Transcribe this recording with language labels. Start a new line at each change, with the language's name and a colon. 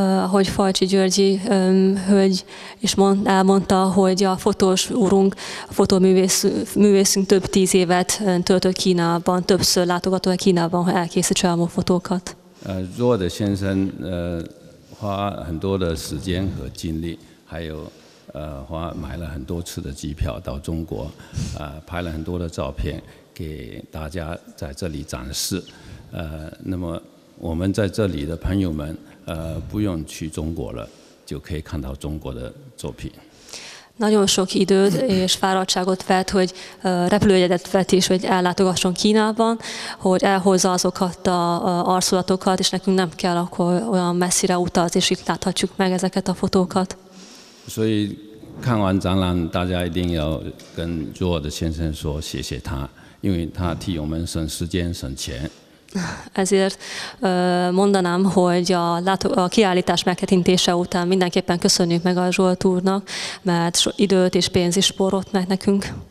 Hungarian: Hogy Falcsi Györgyi hölgy is elmondta, hogy a fotós úrunk, a fotóművészünk több tíz évet töltött Kínában, többször látogatott Kínában, hogy elkészítse a fotókat.
Chinese: Zsolt先生花很多的时间和精力，还有花买了很多次的机票到中国，拍了很多的照片给大家在这里展示。那么我们在这里的朋友们。不用去中国了，就可以看到中国的作品。
Hungarian: Nagyon sok időt és fáradtságot vett, hogy repülőjegyet vett is, hogy ellátogasson Kínában, hogy elhozza azokat a arculatokat, és nekünk nem kell akkor olyan messzire utazni, és itt láthatjuk meg ezeket a fotókat.
Chinese: 所以看完展览，大家一定要跟卓的先生说谢谢他，因为他替我们省时间省钱。
Hungarian: Ezért mondanám, hogy a kiállítás meghetintése után mindenképpen köszönjük meg a Zsolt úrnak, mert időt és pénz is spórolt meg nekünk.